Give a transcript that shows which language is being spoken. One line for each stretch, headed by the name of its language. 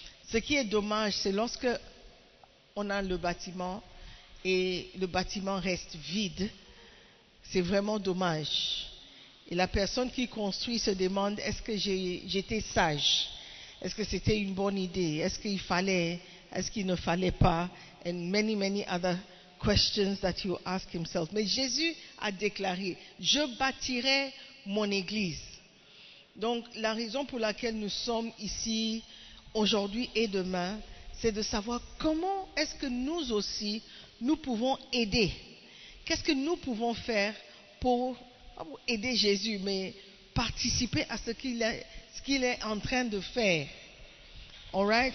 French: Ce qui est dommage, c'est lorsque on a le bâtiment et le bâtiment reste vide. C'est vraiment dommage. Et la personne qui construit se demande, est-ce que j'étais sage? Est-ce que c'était une bonne idée? Est-ce qu'il fallait? Est-ce qu'il ne fallait pas?
English: And many, many other questions that he will ask himself.
French: Mais Jésus a déclaré, je bâtirai mon église. Donc, la raison pour laquelle nous sommes ici, aujourd'hui et demain, c'est de savoir comment est-ce que nous aussi, nous pouvons aider. Qu'est-ce que nous pouvons faire pour, pas pour aider Jésus, mais participer à ce qu'il est en train de faire. Alright?